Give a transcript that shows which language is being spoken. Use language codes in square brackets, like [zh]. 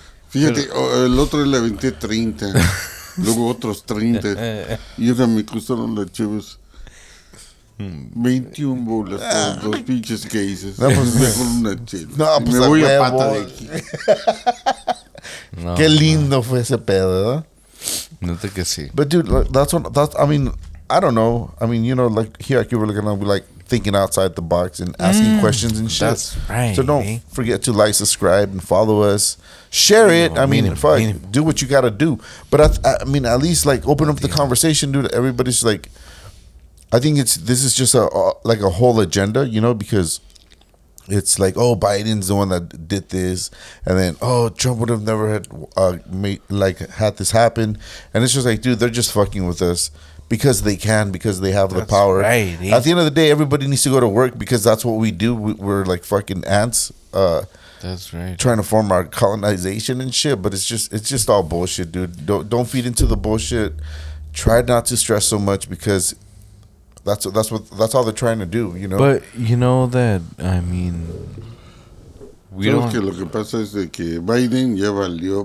[es] Fíjate, el otro le aventé 30, luego otros 30, y esa me costaron las chivas. 21 bolas por dos pinches cases. No, pues mejor una chela. No, pues me voy a pata de aquí. No, qué lindo fue ese pedo, ¿verdad? No sé que sí. [en] But dude, like, I mean, you know, like here at Cuba, we're gonna be like thinking outside the box and asking questions and shit. That's right. So don't forget to like, subscribe, and follow us. Share it. Do what you gotta do. But I mean, at least like open up the conversation, dude. Everybody's like, I think this is just a whole agenda, you know, because it's like, oh, Biden's the one that did this, and then oh, Trump would have never had this happen, and it's just like, dude, they're just fucking with us because they can, because they have the power. Right, at the end of the day, everybody needs to go to work because that's what we do. We're like fucking ants. That's right. Trying to form our colonization and shit, but it's just all bullshit, dude. Don't feed into the bullshit. Try not to stress so much because that's all they're trying to do, you know. But you know that, I mean, we don't. [es] Que lo que pasa es de que Biden ya valió